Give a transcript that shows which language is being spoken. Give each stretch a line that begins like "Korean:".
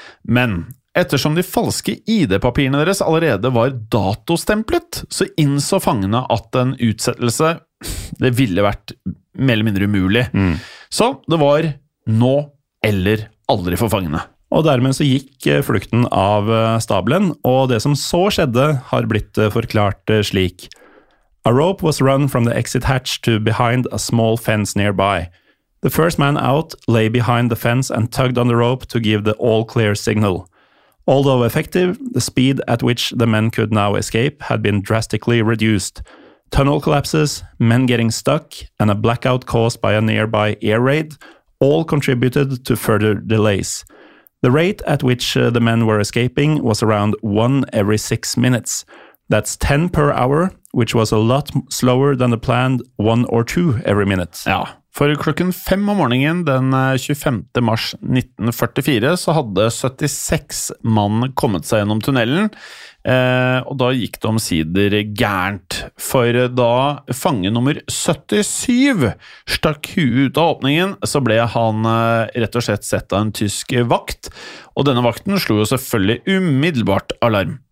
Norwegian: Men ettersom de falske ID-papirene deres allerede var datostemplet, så innså fangene at en utsettelse det ville vært mer eller mindre umulig. Mm. Så det var nå eller aldri for fangene. Og dermed så gikk flukten av stabelen, og det som så skjedde har blitt forklart slik.
English: A rope was run from the exit hatch to behind a small fence nearby. The first man out lay behind the fence and tugged on the rope to give the all clear signal. Although effective, the speed at which the men could now escape had been drastically reduced. Tunnel collapses, men getting stuck, and a blackout caused by a nearby air raid all contributed to further delays. The rate at which the men were escaping was around 1 every 6 minutes. That's 10 per hour, which was a lot slower than the planned 1 or 2 every minute.
Norwegian: Ja. For klokken 5 om morgenen den 25. mars 1944 så hadde 76 mann kommet seg gjennom tunnelen, og da gikk det omsider gærent. For da fange nummer 77 stakk huet ut av åpningen, så ble han rett og slett sett av en tysk vakt, og denne vakten slo jo selvfølgelig umiddelbart alarm.